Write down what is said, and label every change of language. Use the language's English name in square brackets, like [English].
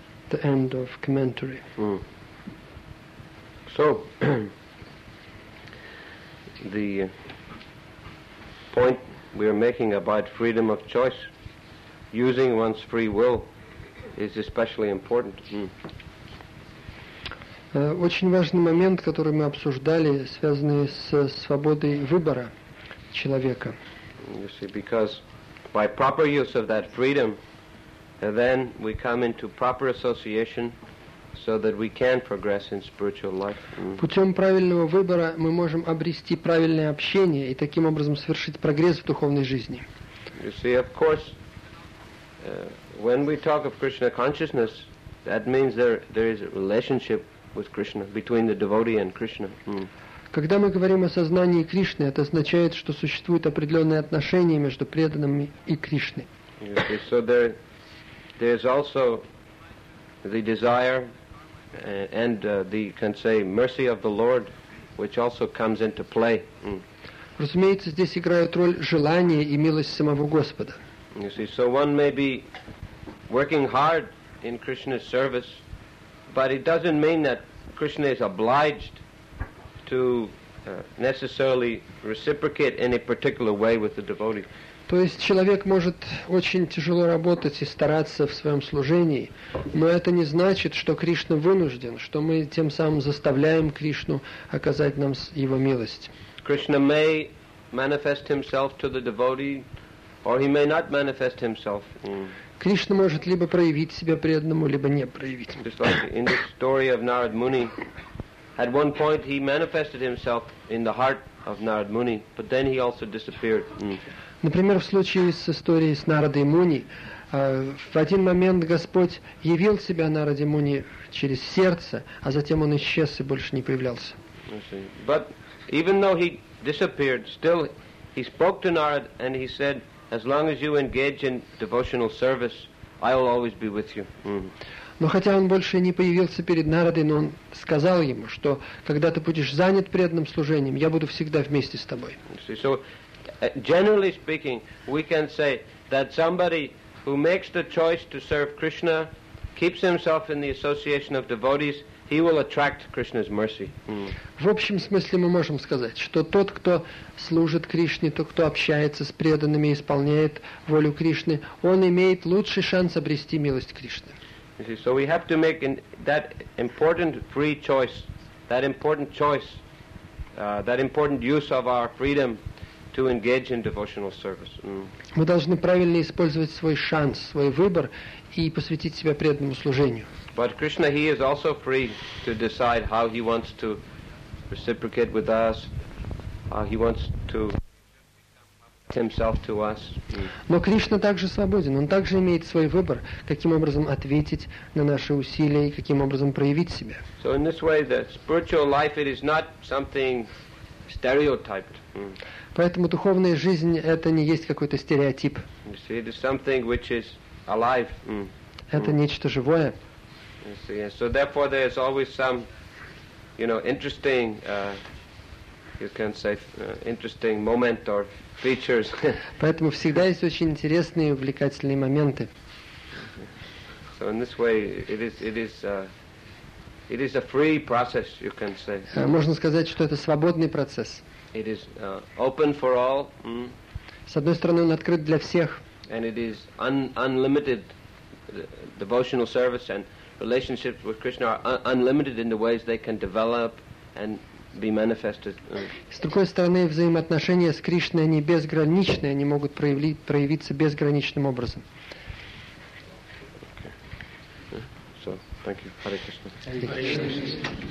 [English] The end of commentary. So the point we are making about freedom of choice, using one's free will, is especially important. [Russian] Очень важный момент, который мы обсуждали, связанный с свободой выбора человека. [English] You see, because by proper use of that freedom, then we come into proper association so that we can progress in spiritual life. [Russian] Путем правильного выбора мы можем обрести правильное общение и таким образом совершить прогресс в духовной жизни. [English] You see, of course, when we talk of Krishna consciousness, that means there is a relationship with Krishna, between the devotee and Krishna. [Russian] Когда мы говорим о сознании Кришны, это означает, что существует определенное отношение между преданными и Кришной. [English] So there is also the desire and the, can say, mercy of the Lord, which also comes into play. [Russian] Разумеется, здесь играют роль желание и милость самого Господа. [English] You see, so one may be working hard in Krishna's service, but it doesn't mean that Krishna is obliged to necessarily reciprocate in a particular way with the devotee. [Russian] То есть человек может очень тяжело работать и стараться в своем служении, но это не значит, что Кришна вынужден, что мы тем самым заставляем Кришну оказать нам его милость. [English] Krishna may manifest himself to the devotee, or he may not manifest himself. [Russian] Кришна может либо проявить себя преданному, либо не проявить. [English] Just like in the story of Narad Muni, at one point he manifested himself in the heart of Narad Muni, but then he also disappeared. [Russian] Например, в случае с историей с Нарадой Муни, в один момент Господь явил себя Нараде Муни через сердце, а затем он исчез и больше не появлялся. [English] But even though he disappeared, still he spoke to Narad and he said, as long as you engage in devotional service, I will always be with you. [Russian] Но хотя он больше не появился перед Нарадой, но он сказал ему, что когда ты будешь занят преданным служением, я буду всегда вместе с тобой. [English] Generally speaking, we can say that somebody who makes the choice to serve Krishna, keeps himself in the association of devotees, he will attract Krishna's mercy. [Russian] В общем смысле мы можем сказать, что тот, кто служит Кришне, тот, кто общается с преданными, исполняет волю Кришны, он имеет лучший шанс обрести милость Кришны. [English] So we have to make that important free choice, that important use of our freedom to engage in devotional service. [Russian] Мы должны правильно использовать свой шанс, свой выбор и посвятить себя преданному служению. [English] But Krishna, he is also free to decide how he wants to reciprocate with us, how he wants to himself to us. [Russian] Но Кришна также свободен. Он также имеет свой выбор, каким образом ответить на наши усилия и каким образом проявить себя. [English] So in this way, the spiritual life, it is not something stereotyped. [Russian] Поэтому духовная жизнь — это не есть какой-то стереотип. [English] You see, it is something which is alive. [Russian] Это нечто живое. [English] You see, so therefore there is always some, you know, interesting, you can say, interesting moment or features. [Russian] Поэтому всегда есть очень интересные и увлекательные моменты. [English] So in this way, it is a free process, you can say. [Russian] Можно сказать, что это свободный процесс. [English] It is open for all. [Russian] С одной стороны, он открыт для всех. [English] And it is unlimited. Devotional service and relationships with Krishna are unlimited in the ways they can develop and be manifested. [Russian] С другой стороны, взаимоотношения с Кришной не безграничны, они могут проявиться безграничным образом. [English] So, thank you. Hare Krishna.